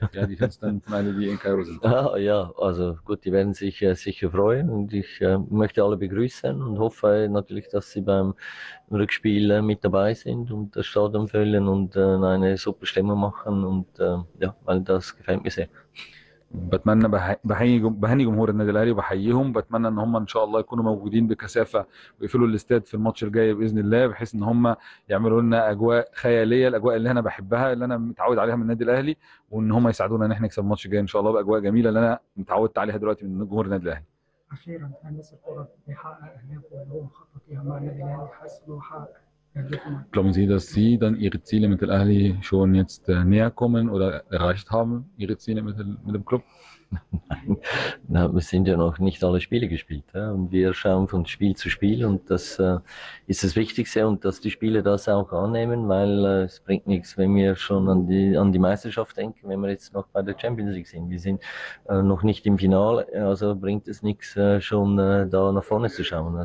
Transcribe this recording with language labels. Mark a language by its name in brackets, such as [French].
[German] Ja, die Fans dann meine, die in Kairo sind. Ah, ja, also gut, die werden sich sicher freuen und ich möchte alle begrüßen und hoffe natürlich, dass sie beim Rückspiel mit dabei sind und das Stadion füllen und eine super Stimmung machen und ja, weil das gefällt mir sehr. [Arabic] بتمنى بهني جمهور النادي الاهلي وبحييهم، بتمنى ان هم ان شاء الله يكونوا موجودين بكثافه ويقفلوا الاستاد في الماتش الجاي باذن الله، بحيث ان هم يعملوا لنا اجواء خياليه، الاجواء اللي انا بحبها اللي انا متعود عليها من النادي الاهلي، وان هم يساعدونا ان احنا نكسب الماتش الجاي ان شاء الله باجواء جميله اللي انا متعودت عليها دلوقتي من جمهور النادي الاهلي. اخيرا الناس الكره بيحقق اهدافه اللي هو مخطط فيها مع النادي الاهلي، حاسس ان هو حقق. [German] Glauben Sie, dass Sie dann Ihre Ziele mit dem Ahli schon jetzt näher kommen oder erreicht haben, Ihre Ziele mit dem Club? Nein, wir sind ja noch nicht alle Spiele gespielt. Ja? Und wir schauen von Spiel zu Spiel und das ist das Wichtigste und dass die Spieler das auch annehmen, weil es bringt nichts, wenn wir schon an die Meisterschaft denken, wenn wir jetzt noch bei der Champions League sind. Wir sind noch nicht im Finale, also bringt es nichts, schon da nach vorne zu schauen.